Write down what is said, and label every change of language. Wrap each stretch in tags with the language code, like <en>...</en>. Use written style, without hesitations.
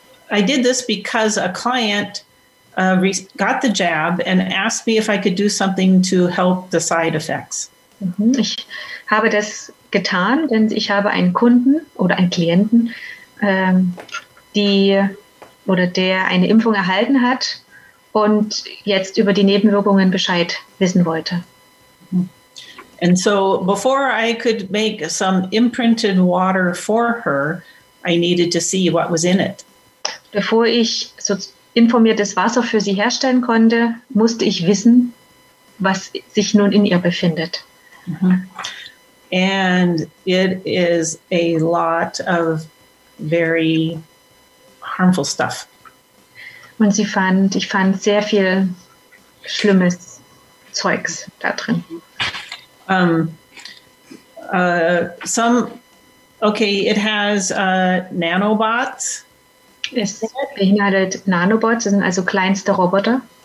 <en>I did this because a client got the jab and asked me if I could do something to help the side effects.</en> <de>Ich habe das getan, denn ich habe einen Kunden oder einen Klienten, der eine Impfung erhalten hat und jetzt über die Nebenwirkungen Bescheid wissen wollte.</de> <en>And so before I could make some imprinted water for her, I needed to see what was in it.</en> <de>Bevor ich so informiertes Wasser für sie herstellen konnte, musste ich wissen, was sich nun in ihr befindet.</de> <en>And it is a lot of very harmful stuff.</en> <de>Und ich fand sehr viel schlimmes Zeugs da drin.</de> <en>It has nanobots.</en> <de>Es beinhaltet Nanobots, das sind also kleinste Roboter.</de>